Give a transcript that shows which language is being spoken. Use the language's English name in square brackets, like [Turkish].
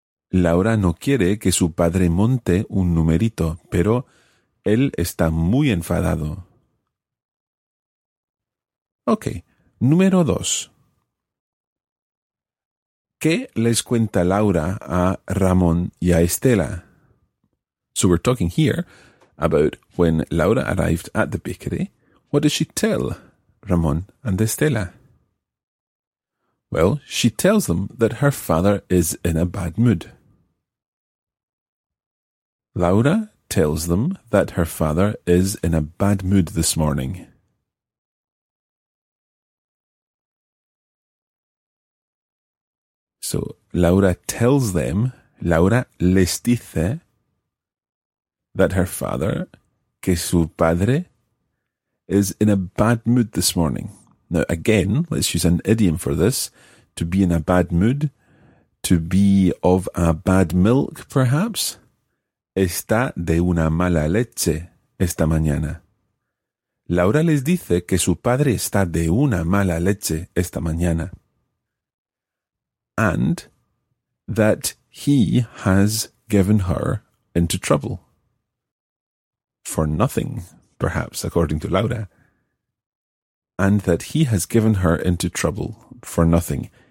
[Spanish] Laura no quiere que su padre monte un numerito, pero él está muy enfadado. Ok, número dos. ¿Qué les cuenta Laura a Ramón y a Estela? [English] So we're talking here about when Laura arrived at the bakery. What does she tell Ramón and Estela? Well, she tells them that her father is in a bad mood. Laura tells them that her father is in a bad mood this morning. So, Laura tells them, [Spanish] Laura les dice [English] that her father, [Spanish] que su padre, [English] is in a bad mood this morning. Now, again, let's use an idiom for this. To be in a bad mood, to be of a bad milk, perhaps. [Spanish] Está de una mala leche esta mañana. Laura les dice que su padre está de una mala leche esta mañana. [English] And that he has given her into trouble. For nothing, perhaps, according to Laura. And that he has given her into trouble for nothing.